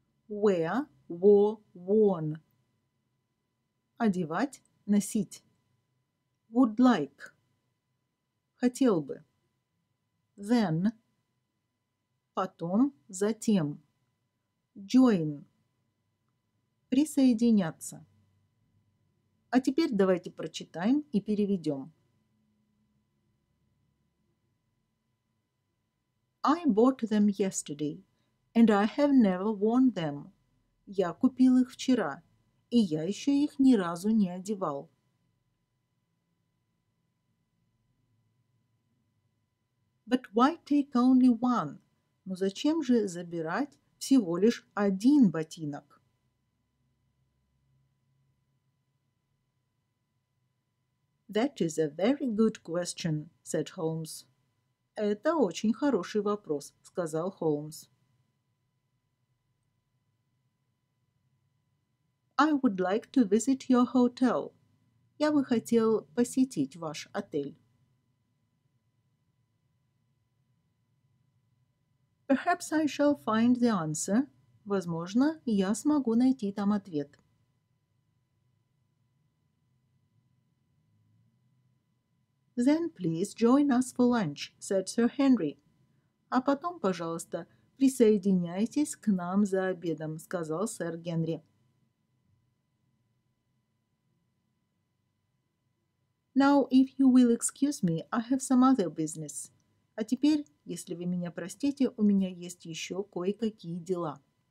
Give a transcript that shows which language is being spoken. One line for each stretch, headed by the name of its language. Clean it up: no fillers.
English: Wear, wore, worn.
Russian: Одевать, носить.
English: Would like.
Russian: Хотел бы.
English: Then.
Russian: Потом, затем. Join. Присоединяться. А теперь давайте прочитаем и переведем.
English: I bought them yesterday, and I have never worn them.
Russian: Я купил их вчера, и я еще их ни разу не одевал.
English: But why take only one?
Russian: Но зачем же забирать всего лишь один ботинок?
English: That is a very good question, said Holmes.
Russian: Это очень хороший вопрос, сказал Холмс.
English: I would like to visit your hotel.
Russian: Я бы хотел посетить ваш отель.
English: Perhaps I shall find the answer.
Russian: Возможно, я смогу найти там ответ.
English: Then please join us for lunch, said Sir Henry.
Russian: А потом, пожалуйста, присоединяйтесь к нам за обедом, сказал сэр Генри.
English: Now, if you will excuse me, I have some other business.
Russian: А теперь, если вы меня простите, у меня есть еще кое-какие дела.